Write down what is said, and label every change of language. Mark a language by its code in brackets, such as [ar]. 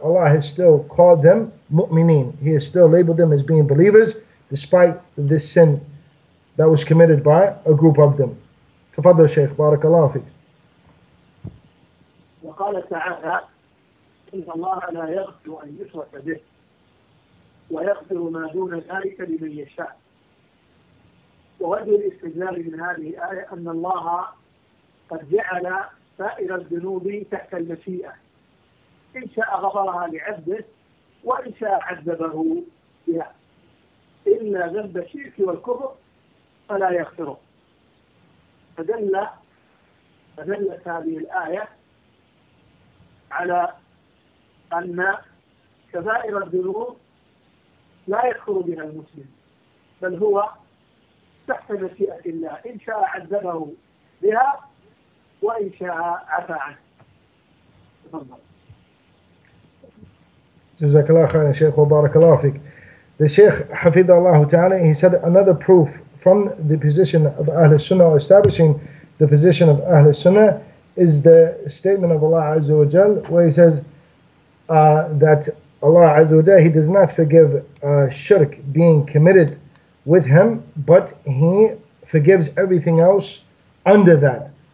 [en] Allah has still called them mu'mineen. He has still labeled them as being believers, despite this sin that was committed by a group of them. [ar] Tafadhal Shaykh, barakallahu fik. وقال تعالى إن الله لا يغفر أن يشرك به ويغفر ما دون ذلك لمن يشاء. ووجه الاستدلال من هذه الآية أن الله قد جعل سائر الذنوب تحت المشيئة, إن شاء غفرها لعبده وإن شاء عذبه بها, إلا ذنب الشرك والكفر فلا يغفره. فدلت هذه الآية على أن كبائر الذنوب لا يدخل بها المسلم, بل هو تحت مشيئة الله, إن شاء عذبه بها وإن شاء عفا عنه. تفضل. جزاك الله خير شيخ وبارك الله فيك. [en] The Shaykh Hafidha Allah Ta'ala, he said another proof from the position of Ahl Sunnah, or establishing the position of Ahl Sunnah, is the statement of Allah Azza wa Jal, where he says that Allah Azza wa Jal, he does not forgive shirk being committed with him, but he forgives everything else under that.